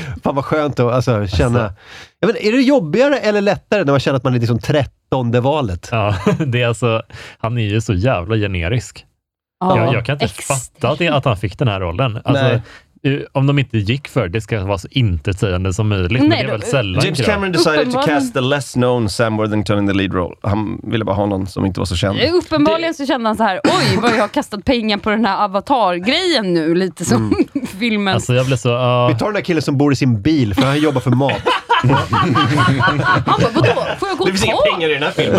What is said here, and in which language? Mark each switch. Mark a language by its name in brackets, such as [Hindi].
[Swedish] Fan vad skönt att alltså, känna. Jag vet, är det jobbigare eller lättare när man känner att man är liksom 13:e valet? Ja, det är alltså, han är ju så jävla generisk. Jag kan inte fatta att han fick den här rollen. Alltså, om de inte gick för det ska vara så intetsägande som möjligt. Nej, men det är väl sällan. [English] James Cameron decided to cast the less known Sam Worthington in the lead role. [Swedish] Han ville bara ha någon som inte var så känd. Uppenbarligen så kände han så här: oj, vad jag har kastat pengar på den här avatar-grejen nu. Lite som filmen. Alltså, jag blev så, Vi tar den där killen som bor i sin bil, för han jobbar för mat. Han bara, vadå? Får jag gå Det finns inga pengar i den här filmen.